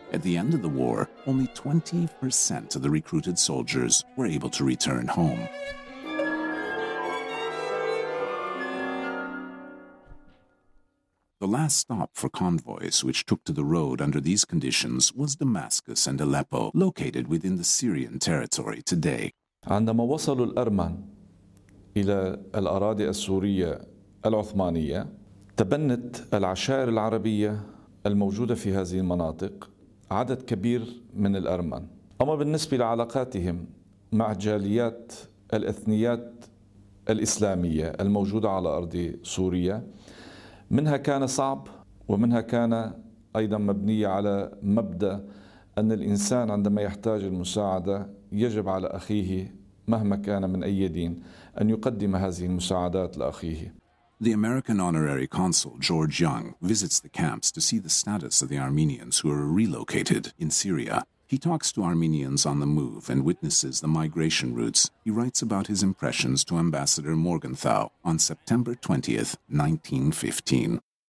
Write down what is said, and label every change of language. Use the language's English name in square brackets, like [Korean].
[English] At the end of the war, only 20% of the recruited soldiers were able to return home. The last stop for convoys which took to the road under these conditions was Damascus and Aleppo, located within the Syrian territory today. [Arabic] عندما وصلوا الأرمن إلى الأراضي السورية العثمانية تبنت العشائر العربية الموجودة في هذه المناطق عدد كبير من الأرمن. أما بالنسبة لعلاقاتهم مع جاليات الإثنيات الإسلامية الموجودة على أرض سوريا منها كان صعب ومنها كان أيضا مبنية على مبدأ أن الإنسان عندما يحتاج المساعدة يجب على أخيه مهما كان من أي دين أن يقدم هذه المساعدات لأخيه. [English] The American Honorary Consul George Young visits the camps to see the status of the Armenians who are relocated in Syria. He talks to Armenians on the move and witnesses the migration routes. He writes about his impressions to Ambassador Morgenthau on September 20th, 1915.